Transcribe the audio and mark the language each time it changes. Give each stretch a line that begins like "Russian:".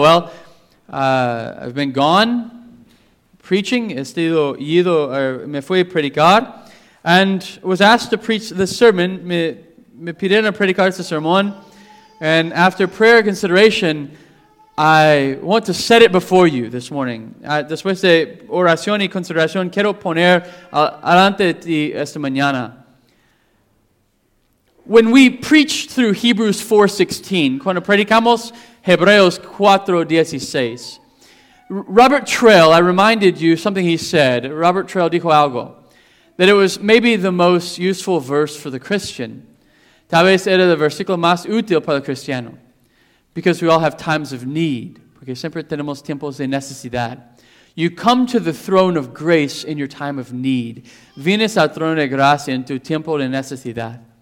English: Well, I've been gone preaching.
Spanish: Me fui a predicar.
English: And was asked to preach the sermon.
Spanish: Me pidieron a predicar este sermón.
English: And after prayer consideration, I want to set it before you this morning.
Spanish: Después de oración y consideración, quiero poner adelante de esta mañana.
English: When we preach through Hebrews 4:16,
Spanish: cuando predicamos Hebreos 4:16,
English: Robert Trail, I reminded you something he said. Robert Trail
Spanish: dijo algo.
English: That it was maybe the most useful verse for the Christian.
Spanish: Tal vez era el versículo más útil para el cristiano.
English: Because we all have times of need.
Spanish: Porque siempre tenemos tiempos de necesidad.
English: You come to the throne of grace in your time of need.
Spanish: Vienes al trono de gracia en tu tiempo de necesidad.